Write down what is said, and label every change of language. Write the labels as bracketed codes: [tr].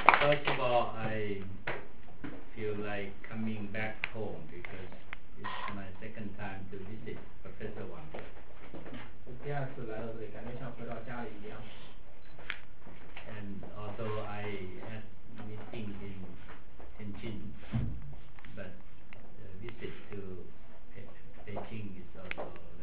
[en] First of all, I feel like coming back home because it's my second time to visit Professor Wang. [zh] 第二次来到这里，感觉像回到家里一样。 [en] And although I had meeting in Tianjin, but the visit to Beijing is also.